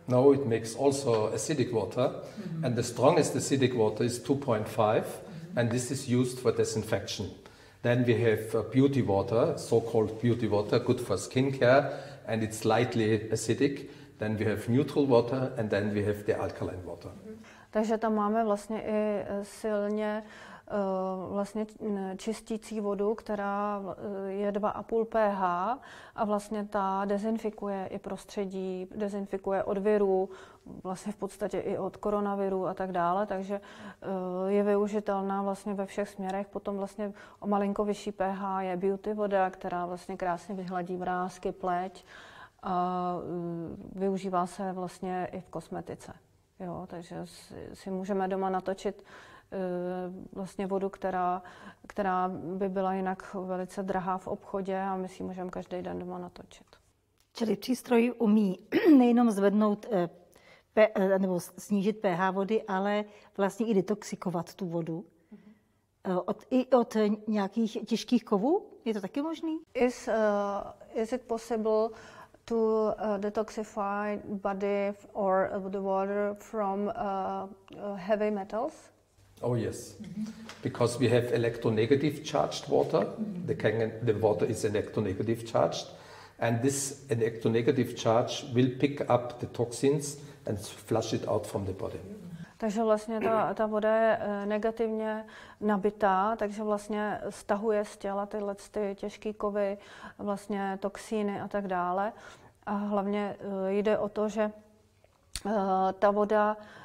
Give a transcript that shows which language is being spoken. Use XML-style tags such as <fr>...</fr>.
<en>No, it makes also acidic water. Mm-hmm. And the strongest acidic water is 2.5. Mm-hmm. And this is used for disinfection. Then we have beauty water, so-called beauty water, good for skincare, and it's slightly acidic. Then we have neutral water, and then we have the alkaline water.</en> <cs>Takže tam máme vlastně i silně vlastně čistící vodu, která je 2,5 pH a vlastně ta dezinfikuje i prostředí, dezinfikuje od virů, vlastně v podstatě i od koronaviru a tak dále, takže je využitelná vlastně ve všech směrech. Potom vlastně o malinko vyšší pH je beauty voda, která vlastně krásně vyhladí vrásky, pleť a využívá se vlastně i v kosmetice. Jo, takže si můžeme doma natočit vlastně vodu, která by byla jinak velice drahá v obchodě a my si můžeme každý den doma natočit. Čili přístroj umí nejenom zvednout nebo snížit pH vody, ale vlastně i detoxikovat tu vodu. I od nějakých těžkých kovů? Je to taky možný?</cs> <en>Is it possible to detoxify body or the water from heavy metals? Oh yes, because we have electronegative charged water. The water is electronegative charged, and this electronegative charge will pick up the toxins and flush it out from the body.</en> <cs>Takže vlastně ta voda je negativně nabitá, takže vlastně stahuje z těla tyhle ty těžké kovy, vlastně toxiny a tak dále. A hlavně jde o to, že ta voda</cs>